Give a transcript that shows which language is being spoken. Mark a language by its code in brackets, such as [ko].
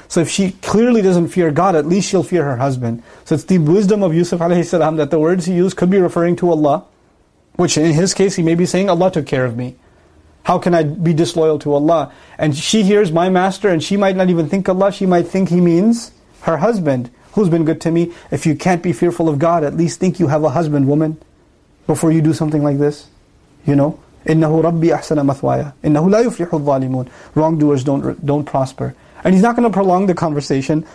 [en] So if she clearly doesn't fear God, at least she'll fear her husband. So it's the wisdom of Yusuf alayhi salam that the words he used could be referring to Allah, which in his case he may be saying, Allah took care of me. How can I be disloyal to Allah? And she hears my master, and she might not even think Allah, she might think he means her husband, who's been good to me. If you can't be fearful of God, at least think you have a husband, woman, before you do something like this. You know, [ar] إِنَّهُ رَبِّي أَحْسَنَ مَثْوَايَ. إِنَّهُ لَا يُفْلِحُ الظَّالِمُونَ. [en] Wrongdoers don't prosper. And he's not going to prolong the conversation.